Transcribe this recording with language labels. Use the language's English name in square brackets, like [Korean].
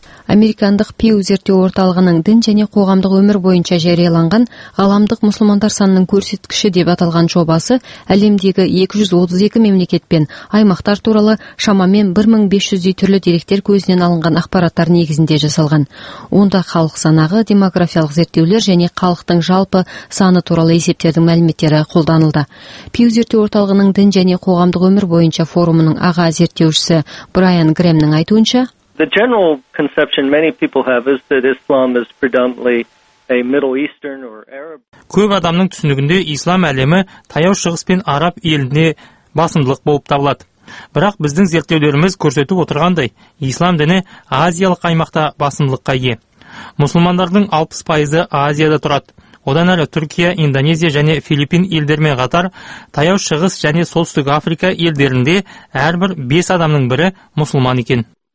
[Kazakh] Американдық Пиу зерттеу орталығының дін және қоғамдық өмір бойынша жарияланған ғаламдық мұсылмандар санының көрсеткіші деп аталған жобасы әлемдегі 232 мемлекет пен аймақтар туралы шамамен 1500-дей түрлі деректер көзінен алынған ақпараттар негізінде жасалған. Онда халық санағы, демографиялық зерттеулер және халықтың жалпы саны туралы есептердің мәліметтері қолданылды. Пиу зерттеу орталығының дін және қоғамдық өмір бойынша форумының аға зерттеушісі Брайан Грэмнің айтуынша, [English] The general conception many people have is that Islam is predominantly [Kazakh] Көп адамның түсінігінде ислам әлемі таяу шығыс пен араб еліне басымдылық болып табылады. Бірақ біздің зерттеулеріміз көрсетіп отырғандай, ислам діні азиялық аймақта басымдылыққа ие. Мұсылмандардың 60% Азияда тұрады. Одан әлі Түркия, Индонезия және Филиппин елдерімен қатар таяу шығыс және солтүстік Африка елдерінде әрбір 5 адамның бірі мұсылман екен.